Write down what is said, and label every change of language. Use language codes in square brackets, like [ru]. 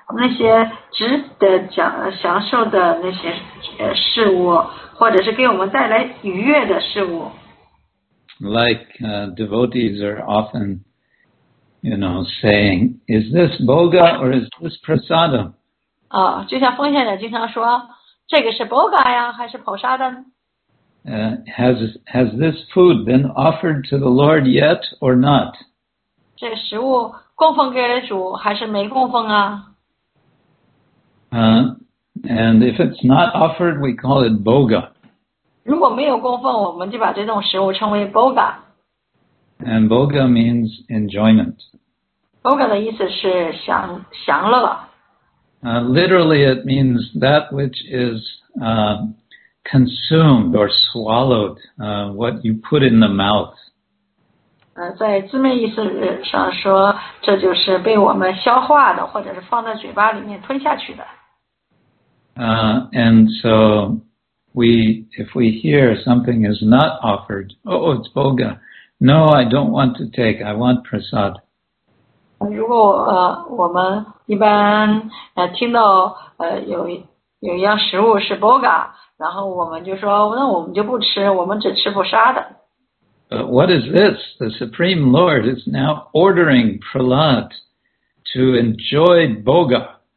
[zh] 那些值得享受的那些事物，或者是给我们带来愉悦的事物。 [en] Like devotees are often, you know, saying, "Is this bhoga or is this prasada?" [zh] 就像奉献者经常说，这个是 bhoga 呀，还是 prasada？ [en] Has this food been offered to the Lord yet or not? [zh] 这个食物。供奉给了主还是没供奉啊？ [en] And if it's not offered, we call it boga. [zh] 如果没有供奉，我们就把这种食物称为 boga. [en] And boga means enjoyment. [zh] Boga 的意思是享乐。 [en] Literally, it means that which is consumed or swallowed, what you put in the mouth. [zh] 在字面意思上说，这就是被我们消化的，或者是放在嘴巴里面吞下去的。 [en] And so if we hear something is not offered, oh, it's bhoga. No, I don't want to take. I want prasad. [zh] 如果我们一般听到有一样食物是 bhoga， 然后我们就说那我们就不吃，我们只吃不杀的。 [en] But what is this? The Supreme Lord is now ordering Prahlad to enjoy bhoga.